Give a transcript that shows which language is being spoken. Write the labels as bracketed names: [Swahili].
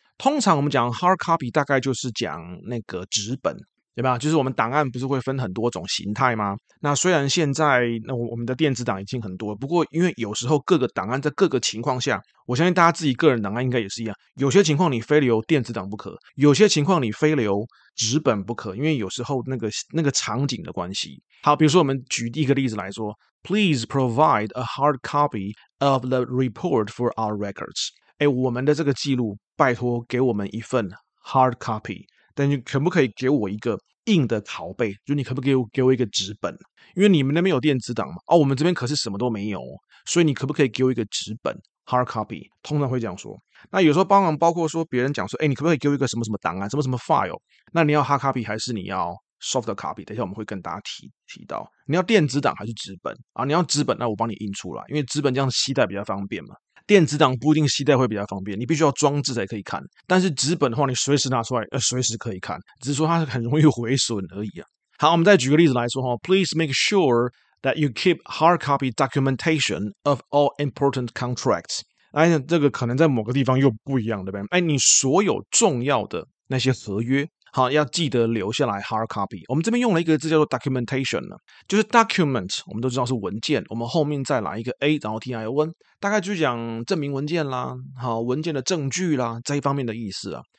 [Chinese] 通常我们讲 hard copy 大概就是讲那个纸本，对吧？就是我们档案不是会分很多种形态吗？那虽然现在那我们的电子档已经很多，不过因为有时候各个档案在各个情况下，我相信大家自己个人档案应该也是一样，有些情况你非留电子档不可，有些情况你非留纸本不可，因为有时候那个场景的关系。好，比如说我们举一个例子来说， [English] Please provide a hard copy of the report for our records。 [Chinese] 哎，我们的这个记录，拜托给我们一份 hard copy，但你可不可以给我一个硬的拷贝？就你可不可以给我一个纸本？因为你们那边有电子档嘛，我们这边可是什么都没有，所以你可不可以给我一个纸本 hard copy？ 通常会这样说。那有时候帮忙，包括说别人讲说，哎，你可不可以给我一个什么什么档案，什么什么 file？那你要 hard copy 还是你要？soft copy，等一下我们会跟大家提到，你要电子档还是纸本啊？你要纸本，那我帮你印出来，因为纸本这样携带比较方便嘛。电子档不一定携带会比较方便，你必须要装置才可以看。但是纸本的话，你随时拿出来，随时可以看，只是说它很容易毁损而已啊。好，我们再举个例子来说， [English] Please make sure that you keep hard copy documentation of all important contracts。 [Chinese] 哎，这个可能在某个地方又不一样，对不对？哎，你所有重要的那些合约。好，要记得留下来 hard copy。我们这边用了一个字叫做 documentation 呢，就是 document，我们都知道是文件。我们后面再来一个 a，然后 tion，大概就讲证明文件啦，文件的证据啦，这一方面的意思啊。